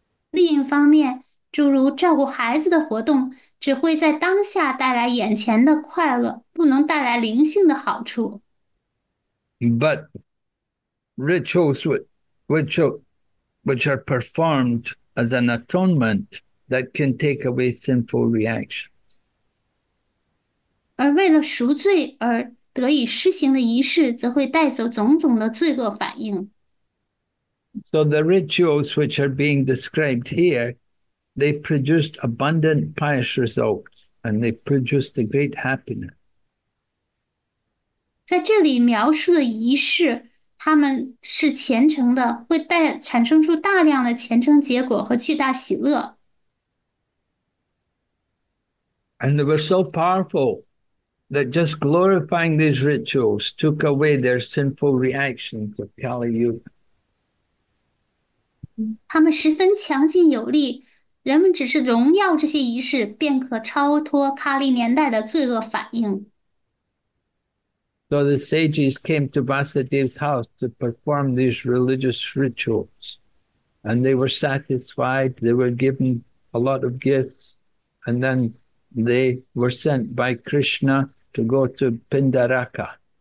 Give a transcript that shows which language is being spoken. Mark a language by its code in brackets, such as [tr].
[zh] 另一方面，诸如照顾孩子的活动，只会在当下带来眼前的快乐，不能带来灵性的好处。 [en] But rituals which are performed as an atonement that can take away sinful reactions. [zh] 而为了赎罪而得以施行的仪式，则会带走种种的罪恶反应。 [en] So the rituals which are being described here, they produced abundant pious results and they produced a great happiness. [zh] 在这里描述的仪式，他们是虔诚的，会带产生出大量的虔诚结果和巨大喜乐。 [en] And they were so powerful that just glorifying these rituals took away their sinful reactions of Kali Yuga. [zh] 他们十分强劲有力，人们只是荣耀这些仪式，便可超脱咖喱年代的罪恶反应。 [en] So the sages came to Vasudeva's house to perform these religious rituals, and they were satisfied, they were given a lot of gifts, and then they were sent by Krishna to go to Pindaraka.